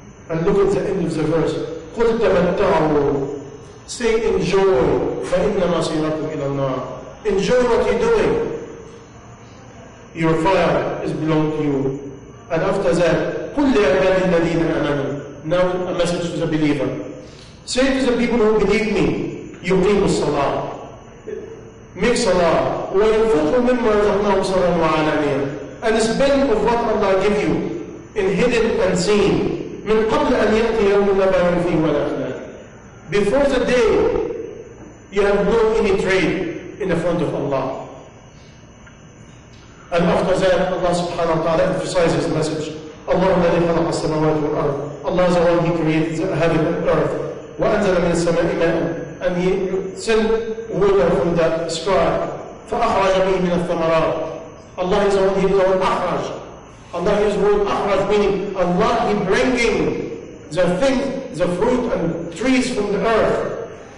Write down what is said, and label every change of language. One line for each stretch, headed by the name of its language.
English: And look at the end of the verse.
Arabic: قُلْ تَمَتَّعُوا.
English: Say enjoy.
Arabic: فَإِنَّ مَصِيرَكُمْ إِلَى النَّارِ.
English: Enjoy what you're doing. Your fire is belong to you. And after that,
Arabic: قُلْ لِعْبَادِ الَّذِينَ آمَنُوا.
English: Now a message to the believer. Say to the people who believe me,
Arabic: يُقِيمُ الصَّلَاةِ.
English: Make salah.
Arabic: وَيُنْفِقُوا مِمَّا رَزَقْنَاهُمْ سِرًّا وَعَلَانِيَةً.
English: And spend of what Allah give you in hidden and seen.
Arabic: من قبل أن يأتي يوم لا بيع فيه ولا خلال.
English: Before the day, you have no any trade in the front of Allah. And after that, Allah subhanahu wa ta'ala emphasizes his message.
Arabic: Allah الذي خلق السماوات والأرض.
English: Allah is the one who created the heaven and earth.
Arabic: وأنزل من السماء ماء.
English: And he sent water from the sky.
Arabic: فأخرج به من الثمرات.
English: Allah is the one, he is the one أخرج. Allah is the one أخرج, meaning Allah is bringing the things, the fruit and trees from the earth.